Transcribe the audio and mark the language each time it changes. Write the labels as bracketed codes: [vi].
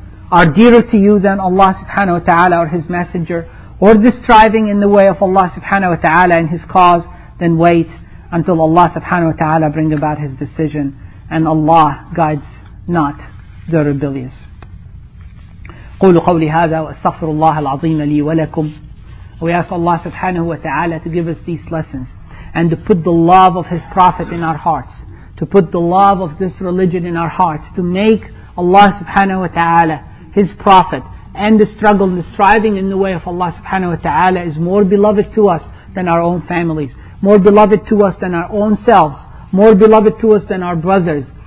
[en] are dearer to you than Allah subhanahu wa ta'ala or His Messenger, or the striving in the way of Allah subhanahu wa ta'ala and His cause, then wait until Allah subhanahu wa ta'ala bring about His decision, and Allah guides not the rebellious. [ar] قولوا قولي هذا واستغفر الله العظيم لي ولكم. [en] We ask Allah subhanahu wa ta'ala to give us these lessons and to put the love of His Prophet in our hearts, to put the love of this religion in our hearts, to make Allah subhanahu wa ta'ala His Prophet, and the struggle and the striving in the way of Allah subhanahu wa ta'ala is more beloved to us than our own families, more beloved to us than our own selves, more beloved to us than our brothers,